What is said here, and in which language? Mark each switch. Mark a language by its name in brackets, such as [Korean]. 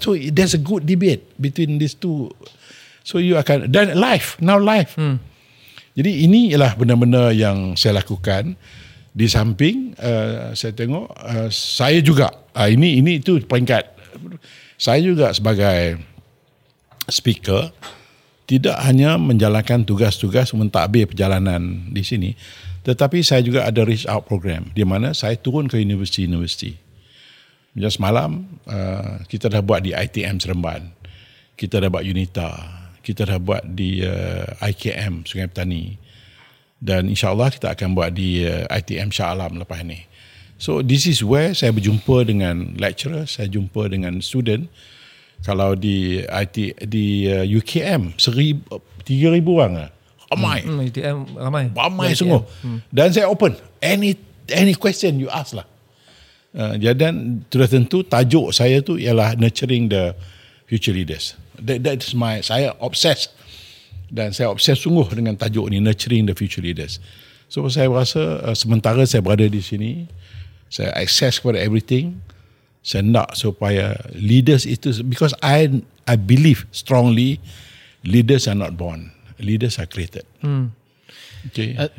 [English] So there's a good debate between these two. So you akan, dan live, now live. [Malay] Jadi ini ialah benda-benda yang saya lakukan. Di samping saya tengok saya juga ini itu peringkat saya juga sebagai speaker tidak hanya menjalankan tugas-tugas mentadbir perjalanan di sini, tetapi saya juga ada [English] reach out program [Malay] di mana saya turun ke universiti-universiti. Just malam kita dah buat di ITM Seremban, kita dah buat UNITA, kita dah buat di IKM Sungai Petani, dan insyaAllah kita akan buat di ITM Shah Alam lepas ini. [English] So this is where [Malay] saya berjumpa dengan lecturer, saya jumpa dengan student. Kalau di UKM 3,000 orang ramai. UKM ramai. Ramai semua. Dan saya [English] open any question you ask [Malay] lah. Dan sudah tentu tajuk saya tu ialah [English] nurturing the future leaders. That is my, [Malay] saya obsessed. Dan saya obses sungguh dengan tajuk ini, Nurturing the Future Leaders. So saya rasa sementara saya berada di sini, saya access kepada everything. Saya nak supaya leaders itu, [English] because I believe strongly, leaders are not born, leaders are created. Okay.